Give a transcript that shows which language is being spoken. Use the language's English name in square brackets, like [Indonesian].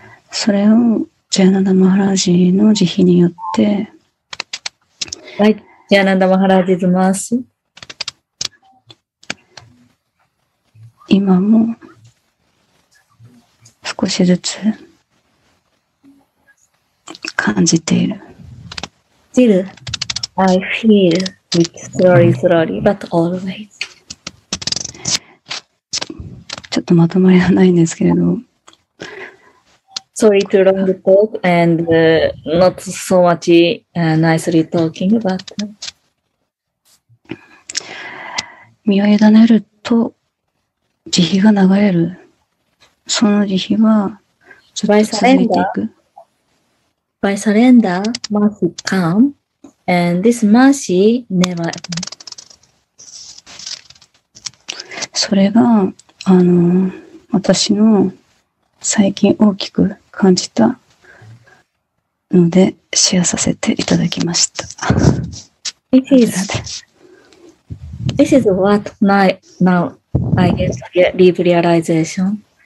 [Japanese] それをジャナダ・マハラジの慈悲によって、はい、ジャナダ・マハラジズマース、今も少しずつ感じている。 [English] Still, I feel it slowly, slowly, but always. [Japanese] ちょっとまとまりはないんですけれど。 [English] Sorry to long talk and not so much nicely talking, but. [Japanese] 身を委ねると慈悲が流れる。その慈悲はずっと続いていく。 [English] By surrender, mercy come, and this mercy never ends. [Japanese] それが私の最近大きく感じたのでシェアさせていただきました。 [English] This is what my now I get deep realization.